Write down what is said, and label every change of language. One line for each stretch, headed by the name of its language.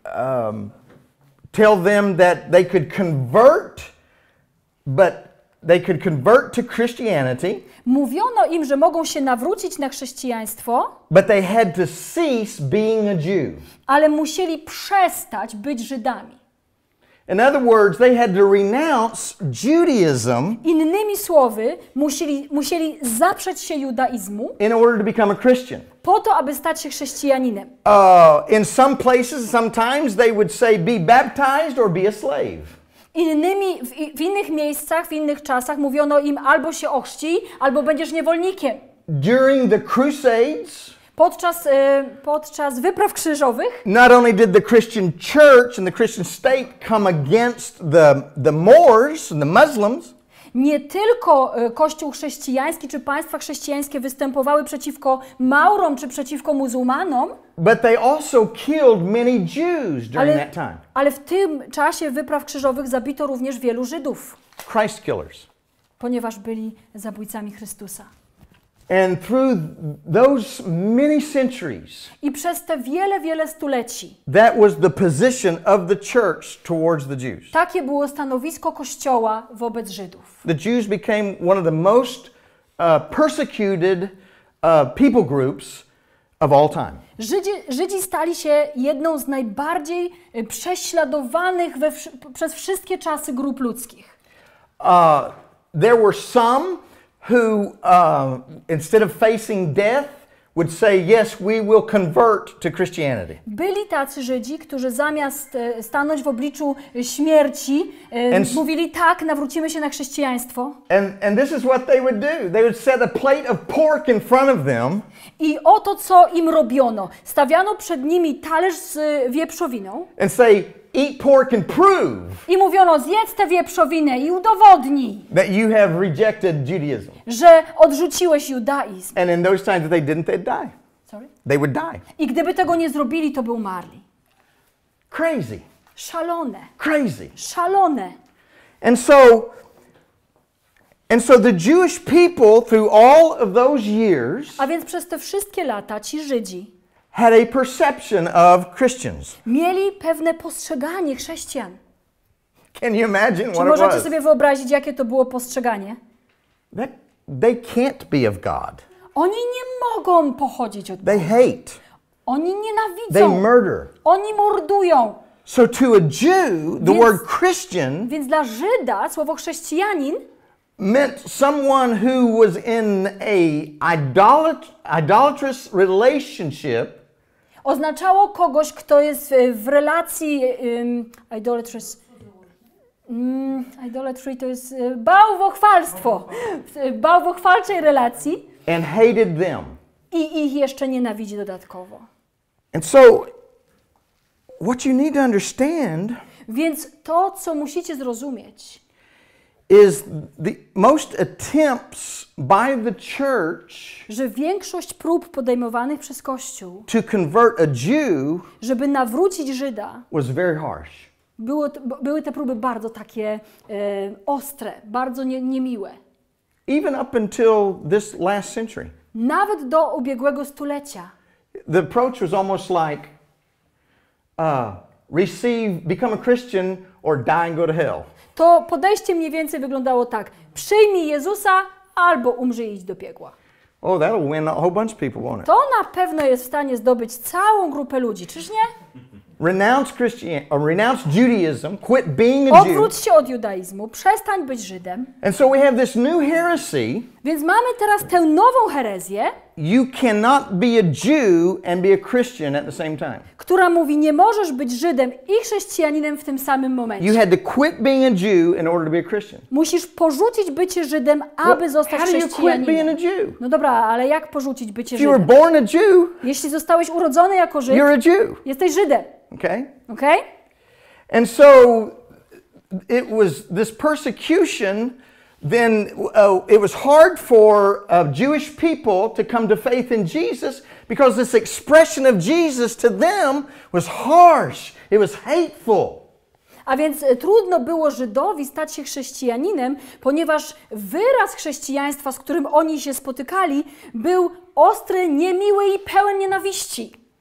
English: They would tell them that they could convert, but they could convert to Christianity.
Polish: Mówiono im, że mogą się nawrócić na chrześcijaństwo.
English: But they had to cease being a Jew.
Polish: Ale musieli przestać być Żydami.
English: In other words, they had to renounce Judaism.
Polish: Innymi słowy, musieli zaprzeć się judaizmu.
English: In order to become a Christian.
Polish: Po to, aby stać się chrześcijaninem.
English: In some places, sometimes they would say, "Be baptized or be a slave."
Polish: W innych miejscach, w innych czasach mówiono im, albo się ochrzcij, albo będziesz niewolnikiem.
English: During the Crusades.
Polish: Podczas wypraw krzyżowych.
English: Not only did the Christian church and the Christian state come against the Moors and the Muslims.
Polish: Nie tylko kościół chrześcijański czy państwa chrześcijańskie występowały przeciwko Maurom czy przeciwko muzułmanom.
English: But they also killed many Jews during that time.
Polish: Ale w tym czasie wypraw krzyżowych zabito również wielu Żydów.
English: Christ killers.
Polish: Ponieważ byli zabójcami Chrystusa.
English: And through those many centuries,
Polish: i przez te wiele, wiele stuleci,
English: that was the position of the church towards the Jews.
Polish: Takie było stanowisko Kościoła wobec Żydów.
English: The Jews became one of the most persecuted people groups of all time.
Polish: Żydzi stali się jedną z najbardziej prześladowanych przez wszystkie czasy grup ludzkich.
English: There were some who instead of facing death would say yes we will convert to Christianity.
Polish: Byli tacy Żydzi, którzy zamiast stanąć w obliczu śmierci mówili tak, nawrócimy się na chrześcijaństwo.
English: And this is what they would do. They would set a plate of pork in front of them.
Polish: I oto co im robiono. Stawiano przed nimi talerz z wieprzowiną.
English: And say eat pork and prove.
Polish: I mówiono, zjedz tę wieprzowinę i udowodnij.
English: That you have rejected Judaism.
Polish: Że odrzuciłeś judaizm.
English: And in those times that they didn't, they'd die. Sorry? They would die.
Polish: I gdyby tego nie zrobili, to by umarli.
English: Crazy.
Polish: Szalone.
English: Crazy.
Polish: Szalone.
English: And so the Jewish people through all of those years.
Polish: A więc przez te wszystkie lata ci Żydzi
English: had a perception of Christians.
Polish: Mieli pewne postrzeganie chrześcijan.
English: Can you imagine what it was?
Polish: Czy możecie sobie wyobrazić, jakie to było postrzeganie?
English: They can't be of God.
Polish: Oni nie mogą pochodzić od Boga.
English: They hate.
Polish: Oni nienawidzą.
English: They murder.
Polish: Oni mordują.
English: So to a Jew, the word Christian,
Polish: więc dla Żyda słowo chrześcijanin
English: meant someone who was in a idolatrous relationship.
Polish: Oznaczało kogoś, kto jest w relacji idolatrous. Idolatry to jest bałwochwalstwo. Bałwochwalczej relacji.
English: And hated them.
Polish: I ich jeszcze nienawidzi dodatkowo.
English: And so, what you need to understand.
Polish: Więc to, co musicie zrozumieć.
English: Is the most attempts by the church,
Polish: że większość prób podejmowanych przez Kościół,
English: to convert a Jew,
Polish: żeby nawrócić Żyda,
English: was very harsh.
Polish: Były te próby bardzo takie ostre, bardzo niemiłe.
English: Even up until this last century.
Polish: Nawet do ubiegłego stulecia.
English: The approach was almost like receive, become a Christian or die and go to hell.
Polish: To podejście mniej więcej wyglądało tak: przyjmij Jezusa albo umrzyj i idź do piekła.
English: Oh, that'll win a whole bunch of people, won't it?
Polish: To na pewno jest w stanie zdobyć całą grupę ludzi, czyż nie?
English: Renounce Christianity, or renounce Judaism, quit being a Jew.
Polish: Odwróć się od judaizmu, przestań być Żydem.
English: And so we have this new heresy.
Polish: Więc mamy teraz tę nową herezję.
English: You cannot be a Jew and be a Christian at the same time.
Polish: Która mówi, nie możesz być Żydem i chrześcijaninem w tym samym momencie.
English: You had to quit being a Jew in order to be a Christian.
Polish: Musisz porzucić bycie Żydem, aby zostać chrześcijaninem.
English: How do you quit being a Jew?
Polish: No dobra, ale jak porzucić bycie Żydem?
English: If you were born a Jew,
Polish: jeśli zostałeś urodzony jako Żyd,
English: you're a Jew.
Polish: Jesteś Żydem.
English: Okay? Okay? And so it was this persecution. Then it was hard for Jewish people to come to faith in Jesus because this expression of Jesus to them was harsh. It was hateful.
Polish: A więc trudno było Żydowi stać się chrześcijaninem, ponieważ wyraz chrześcijaństwa, z którym oni się spotykali, był ostry, niemiły i pełen nienawiści.